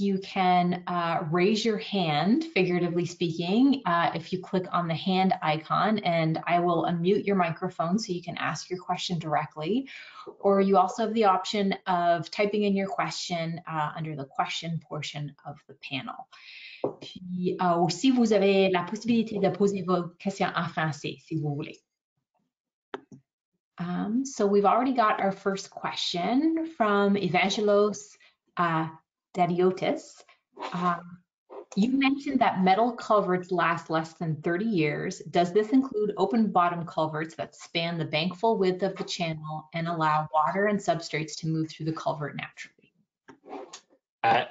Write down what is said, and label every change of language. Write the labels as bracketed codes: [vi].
[en] You can raise your hand, figuratively speaking, if you click on the hand icon, and I will unmute your microphone so you can ask your question directly. Or you also have the option of typing in your question under the question portion of the panel. [fr] Puis aussi, vous avez la possibilité de poser vos questions en français, si vous voulez. [en] So we've already got our first question from Evangelos Dadiotis. You mentioned that metal culverts last less than 30 years. Does this include open bottom culverts that span the bank full width of the channel and allow water and substrates to move through the culvert naturally?